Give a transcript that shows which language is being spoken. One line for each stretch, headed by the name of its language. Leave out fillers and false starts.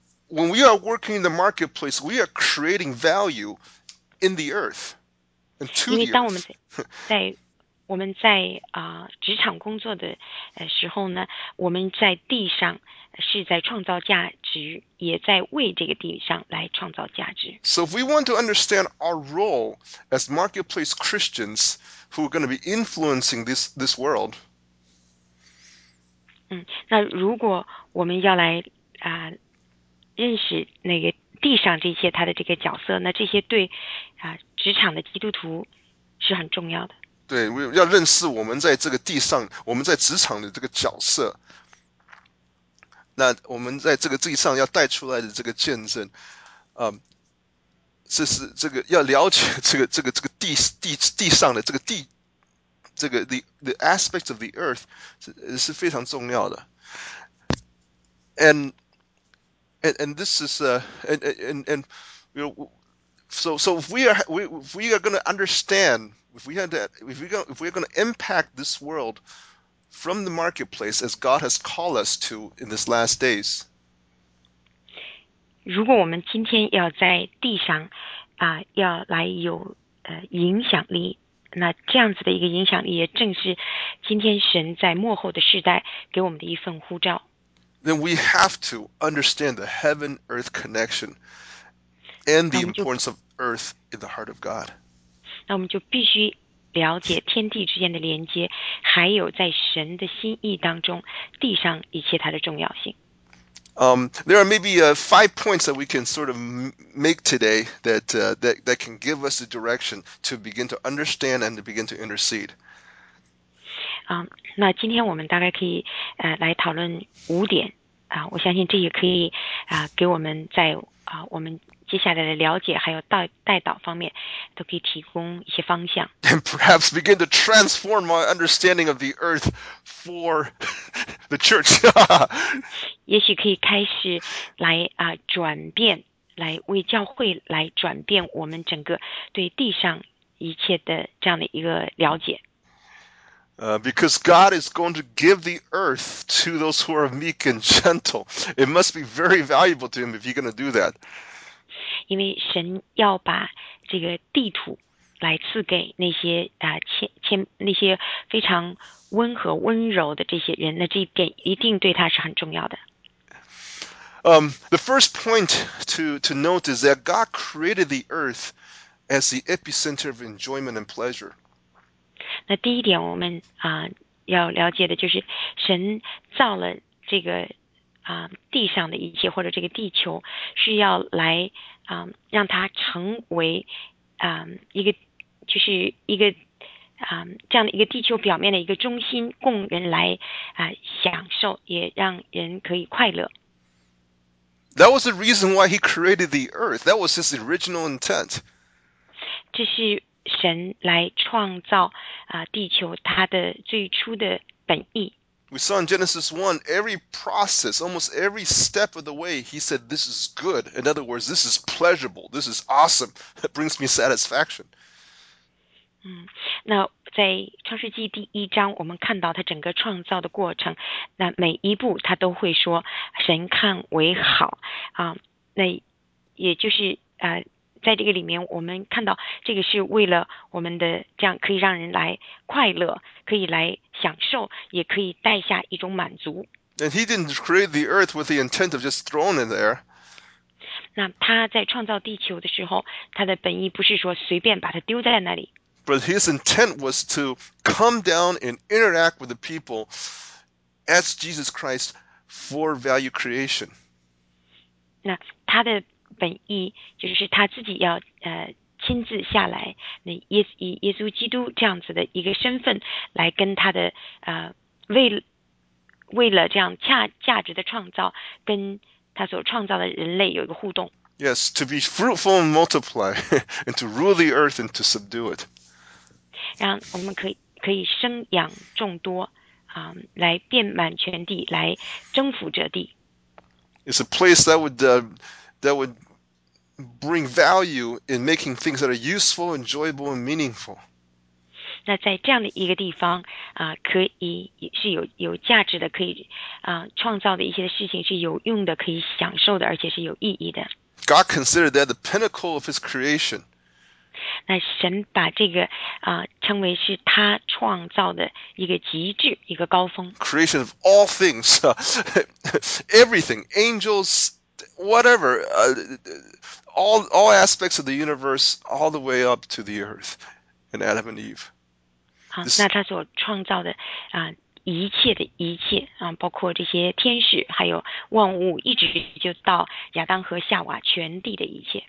English: When we are working in the marketplace, we are creating value in the earth and to the earth.
Chinese: 当我们在我们在职场工作的时候呢，我们在地上是在创造价值，也在为这个地上来创造价值。
English: So if we want to understand our role as marketplace Christians who are going to be influencing this world,
Chinese: 那如果我们要来认识那个地上这些他的这个角色，那这些对职场的基督徒是很重要的。对，要认识我们在这个地上，我们在职场的这个角色，那我们在这个地上要带出来的这个见证，这是这个要了解这个地上的这个地这个
English: the aspects of the earth
Chinese: 是非常重要的。
English: And this is and you know, so if we are going to understand, if we're going to impact this world from the marketplace as God has called us to in these last days.
Chinese: 如果我们今天要在地上要来有影响力，那这样子的一个影响力也正是今天神在末后的时代给我们的一份呼召。
English: Then we have to understand the heaven-earth connection and the importance of earth in the heart of God.
Chinese: 那我们就必须了解天地之间的连接，还有在神的心意当中，地上一切它的重要性。
English: There are maybe five points that we can sort of make today that, that can give us a direction to begin to understand and to begin to intercede.
Chinese: 那今天我们大概可以来讨论五点我相信这也可以给我们在我们接下来的了解还有带导方面都可以提供一些方向。
English: And perhaps begin to transform my understanding of the earth for the church.
Chinese: 也许可以开始来转变，来为教会来转变我们整个对地上一切的这样的一个了解。
English: Because God is going to give the earth to those who are meek and gentle. It must be very valuable to him if you're going to do that.
Chinese: 因为神要把这个地土来赐给那些那些非常温和温柔的这些人，那这一点一定对他是很重要的。
English: The first point to note is that God created the earth as the epicenter of enjoyment and pleasure.
Chinese: 那第一点我们要了解的就是神造了这个地上的一切或者这个地球是要来让它成为一个就是一个这样的一个地球表面的一个中心，供人来享受，也让人可以快乐。
English: That was the reason why he created the earth. That was his original intent.
Chinese: 这是神来创造地球它的最初的本意。
English: We saw in Genesis 1, every process, almost every step of the way, he said, this is good. In other words, this is pleasurable. This is awesome. That brings me satisfaction.
Chinese: 那在创世纪第一章我们看到他整个创造的过程，那每一步他都会说神看为好那也就是在这个里面我们看到这个是为了我们的这样可以让人来快乐，可以来享受，也可以带下一种满足。
English: And he didn't create the earth with the intent of just throwing it there.
Chinese: 那他在创造地球的时候，他的本意不是说随便把它丢在那里。
English: But his intent was to come down and interact with the people as Jesus Christ for value creation.
Chinese: 那他的本意就是他自己要亲自下来，那耶稣基督这样子的一个身份来跟他的为了这样价值的创造，跟他所创造的人类有一个互动。
English: Yes, to be fruitful and multiply, and to rule the earth and to subdue it.
Chinese: 让我们可以生养众多来遍满全地，来征服这地。
English: It's a place that would bring value in making things that are useful, enjoyable, and meaningful.
Chinese: 那在这样的一个地方可以是有价值的，可以创造的一些事情是有用的，可以享受的，而且是有意义的。
English: God considered that the pinnacle of his creation.
Chinese: 那神把这个称为是他创造的一个极致，一个高峰。
English: Creation of all things, everything, angels, whatever, all aspects of the universe, all the way up to the earth, and Adam and Eve.
Chinese: 那他所创造的一切的一切包括这些天使，还有万物，一直就到亚当和夏娃，全地的一切。